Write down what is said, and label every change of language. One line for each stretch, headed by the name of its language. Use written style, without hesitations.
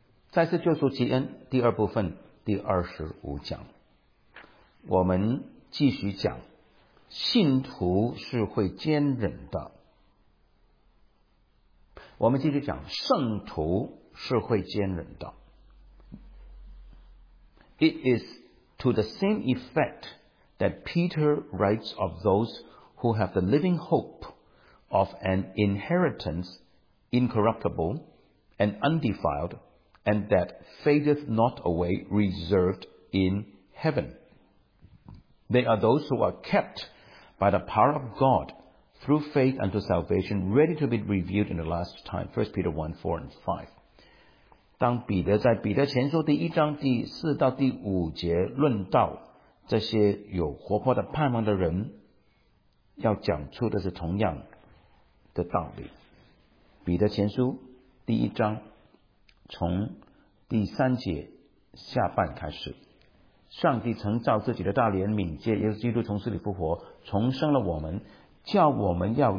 Chinese: 再次救赎其恩第二部分第25讲。我们继续讲，信徒是会坚忍的。我们继续讲，圣徒是会坚忍的。
English: It is to the same effect that Peter writes of those who have the living hope of an inheritance incorruptible and undefiled and that fadeth not away reserved in heaven. They are those who are kept by the power of God through faith unto salvation, ready to be revealed in the last time. 1 Peter 1, 4 and 5.
Chinese: 当彼得在彼得前书第一章第四到第五节论到这些有活泼的盼望的人，要讲出的是同样的道理。彼得前书第一章从第三节下半开始，上帝曾照自己的大怜悯借耶稣基督从死里复活重生了我们，叫我们